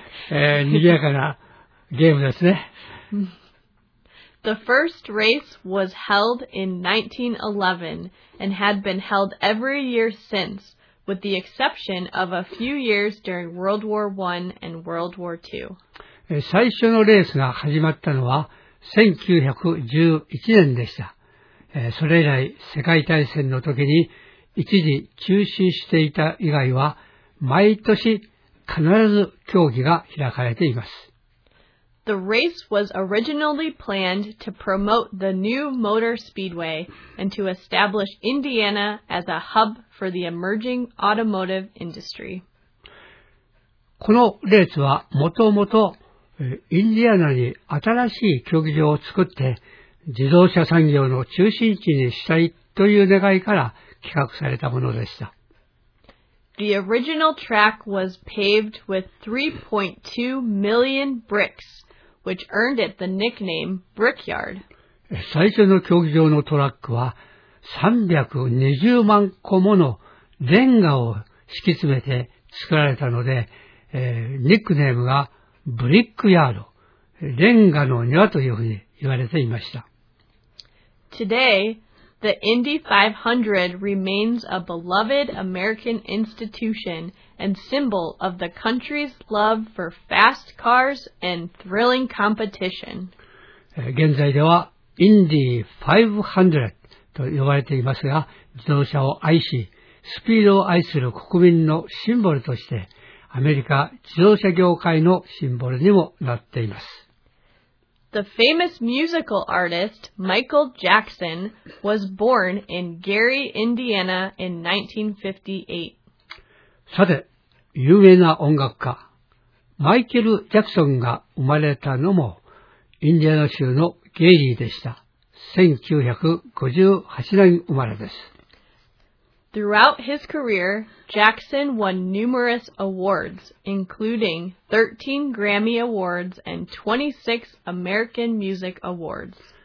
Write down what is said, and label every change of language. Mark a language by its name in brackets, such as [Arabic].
[Japanese] 賑やかなゲームですね。 [English] The first race was held in 1911 and had been held every year since, with the exception of a few years during World War I and World War II. [Japanese] 最初のレースが始まったのは1911年でした。それ以来世界大戦の時に一時中止していた以外は毎年必ず競技が開かれています。 [English] The race was originally planned to promote the new motor speedway and to establish Indiana as a hub for the emerging automotive industry. [Japanese] このレースはもともとインディアナに新しい競技場を作って自動車産業の中心地にしたいという願いから企画されたものでした。 [English] The original track was paved with 3.2 million bricks, which earned it the nickname Brickyard. [Japanese] 最初の競技場のトラックは320万個ものレンガを敷き詰めて作られたので、ニックネームがブリックヤード、レンガの庭というふうに言われていました。 [English] Today, the Indy 500 remains a beloved American institution and symbol of the country's love for fast cars and thrilling competition. [Japanese] 現在ではインディ500と呼ばれていますが、自動車を愛し、スピードを愛する国民のシンボルとして、アメリカ自動車業界のシンボルにもなっています。 [English] The famous musical artist Michael Jackson was born in Gary, Indiana in 1958. [Japanese] さて、有名な音楽家、マイケル・ジャクソンが生まれたのも、インディアナ州のゲイリーでした。 1958年生まれです。 [English] Throughout his career, Jackson won numerous awards, including 13 Grammy Awards and 26 American Music Awards.